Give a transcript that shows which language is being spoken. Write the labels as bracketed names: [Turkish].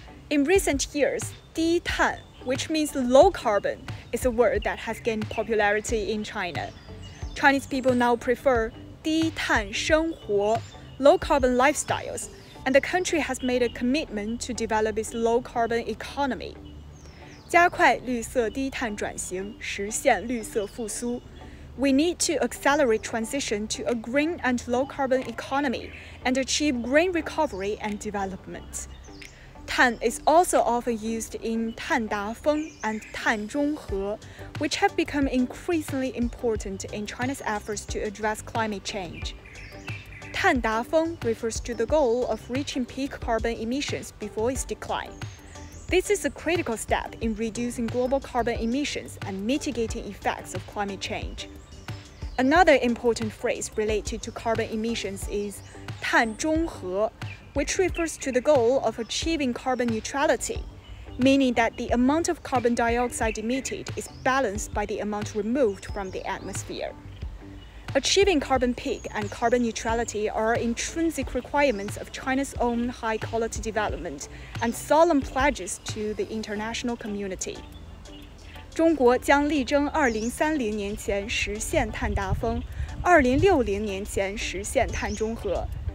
[English] In recent years, di tan, which means low carbon, is a word that has gained popularity in China. Chinese people now prefer di tan sheng huo, low carbon lifestyles, and the country has made a commitment to develop its low carbon economy. [Chinese] 加快绿色低碳转型，实现绿色复苏。 [English] We need to accelerate transition to a green and low carbon economy and achieve green recovery and development. 碳 is also often used in 碳达峰 and 碳中和, which have become increasingly important in China's efforts to address climate change. 碳达峰 refers to the goal of reaching peak carbon emissions before its decline. This is a critical step in reducing global carbon emissions and mitigating effects of climate change. Another important phrase related to carbon emissions is 碳中和, which refers to the goal of achieving carbon neutrality, meaning that the amount of carbon dioxide emitted is balanced by the amount removed from the atmosphere. Achieving carbon peak and carbon neutrality are intrinsic requirements of China's own high-quality development and solemn pledges to the international community. [Chinese] 中国将力争2030年前实现碳达峰，2060年前实现碳中和。